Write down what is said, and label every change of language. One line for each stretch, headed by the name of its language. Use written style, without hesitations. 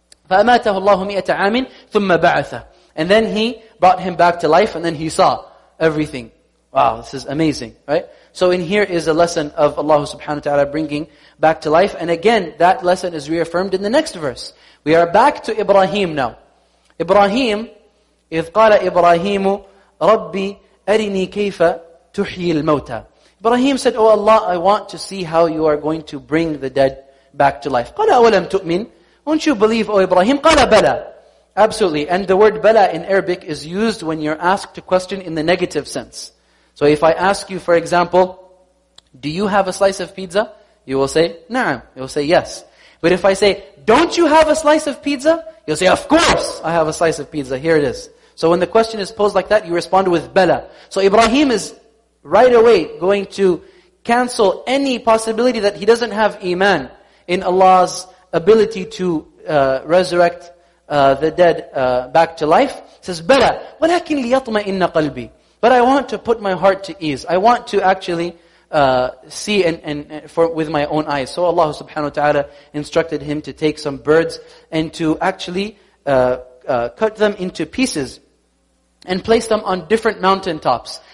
Arabic: فَأَمَاتَهُ اللَّهُ مِئَةَ عَامٍ ثُمَّ بَعَثَ.
English: And then he brought him back to life, and then he saw everything. Wow, this is amazing, right? So in here is a lesson of Allah subhanahu wa ta'ala bringing back to life. And again, that lesson is reaffirmed in the next verse. We are back to Ibrahim now.
Arabic: Ibrahim, إِذْ قَالَ إِبْرَاهِيمُ رَبِّ أَرِنِي كَيْفَ تُحْيِي الْمَوْتَى.
English: Ibrahim said, "Oh Allah, I want to see how you are going to bring the dead back to life."
Arabic: قَالَ أَوَلَمْ تُؤْمِنْ.
English: Won't you believe, O Ibrahim?
Arabic: قَالَ بَلَى. Absolutely.
English: And the word بَلَى in Arabic is used when you're asked a question in the negative sense. So if I ask you, for example, do you have a slice of pizza? You will say, نعم. You will say, yes. But if I say, don't you have a slice of pizza? You'll say, of course, I have a slice of pizza. Here it is. So when the question is posed like that, you respond with بَلَى. So Ibrahim is right away going to cancel any possibility that he doesn't have iman in Allah's ability to resurrect the dead back to life. He says,
Arabic: بَلَى وَلَكِنْ لِيَطْمَئِنَّ قَلْبِي.
English: But I want to put my heart to ease. I want to actually see and for with my own eyes. So Allah subhanahu wa ta'ala instructed him to take some birds and to actually cut them into pieces and place them on different mountain tops.